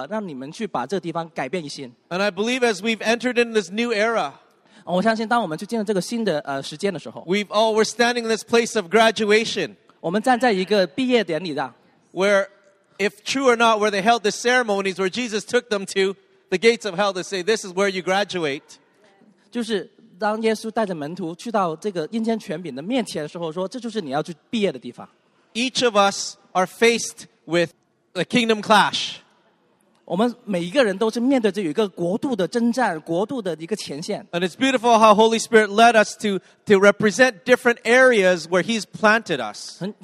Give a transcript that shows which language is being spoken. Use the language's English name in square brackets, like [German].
[Chinese] 我看见的耶稣就是去到里面把钥匙给夺过来以后，就跟门徒说：“好，现在是到你们做了，让你们去把这地方改变一新。” [English] And I believe as we've entered in this new era. [Chinese] 我相信当我们去进入这个新的时间的时候， [English] we're standing in this place of graduation. [Chinese] 我们站在一个毕业典礼的， [English] where, if true or not, where they held the ceremonies where Jesus took them to the gates of hell to say, this is where you graduate. [Chinese] 就是当耶稣带着门徒去到这个阴间权柄的面前的时候说， 这就是你要去毕业的地方。 [English] Each of us are faced with a kingdom clash. [Chinese] 我们每一个人都是面对着有一个国度的征战，国度的一个前线。 [English] And it's beautiful how Holy Spirit led us to represent different areas where He's planted us.